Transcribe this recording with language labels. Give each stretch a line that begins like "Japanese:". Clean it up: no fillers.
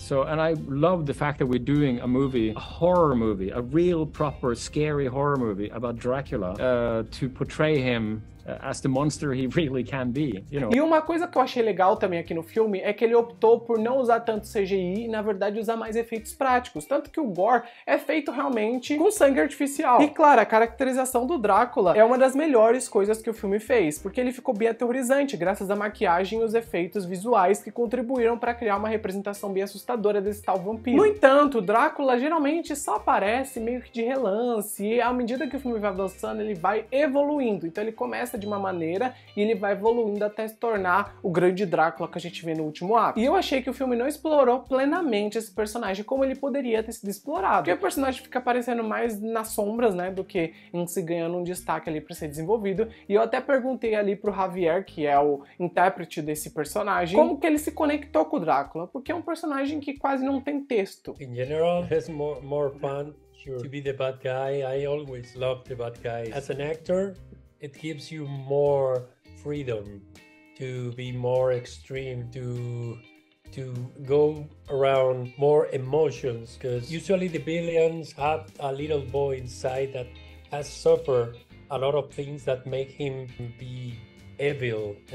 English: So, and I love the fact that we're doing a movie, a horror movie, a real proper scary horror movie about Dracula, to portray him as the monster he really can be, you know.
Portuguese: E uma coisa que eu achei legal também aqui no filme é que ele optou por não usar tanto CGI e, na verdade, usar mais efeitos práticos. Tanto que o gore é feito realmente com sangue artificial. E, claro, a caracterização do Drácula é uma das melhores coisas que o filme fez, porque ele ficou bem aterrorizante, graças à maquiagem e os efeitos visuais que contribuíram para criar uma representação bem assustadora desse tal vampiro. No entanto, o Drácula geralmente só aparece meio que de relance, e à medida que o filme vai avançando, ele vai evoluindo. Então ele começa de uma maneira e ele vai evoluindo até se tornar o grande Drácula que a gente vê no último ato. E eu achei que o filme não explorou plenamente esse personagem como ele poderia ter sido explorado. Porque o personagem fica aparecendo mais nas sombras, né, do que em se ganhando um destaque ali pra ser desenvolvido. E eu até perguntei ali pro Javier, que é o intérprete desse personagem, como que ele se conectou com o Drácula, porque é um personagem que quase não tem texto.
English: In general, it's more fun, sure, to be the bad guy. I always loved the bad guys. As an actor, it gives you more freedom to be more extreme, to go around more emotions, because usually the villains have a little boy inside that has suffered a lot of things that make him be evil.